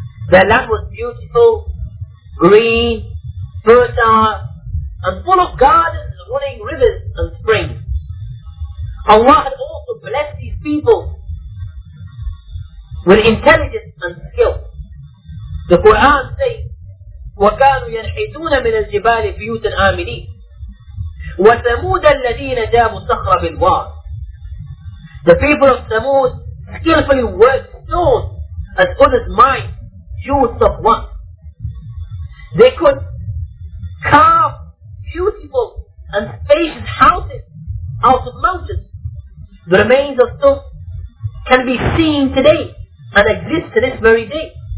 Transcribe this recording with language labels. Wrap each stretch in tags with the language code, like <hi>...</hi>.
<en>Their land was beautiful, green, fertile, and full of gardens, running rivers and springs. Allah had also blessed these people with intelligence and skill. The Quran says,</en> <ar>وَكَانُوا يَنْحِتُونَ مِنَ الْجِبَالِ بِيُوتًا آمِنِينَ وَثَمُودَ الَّذِينَ جَابُوا صَخْرَ بِالْوَادِ.</ar> <en>The people of Thamud skillfully worked stones as others mined jewels of wealth. They could carve beautiful and spacious houses out of mountains. The remains of stones can be seen today and exist to this very day.</en>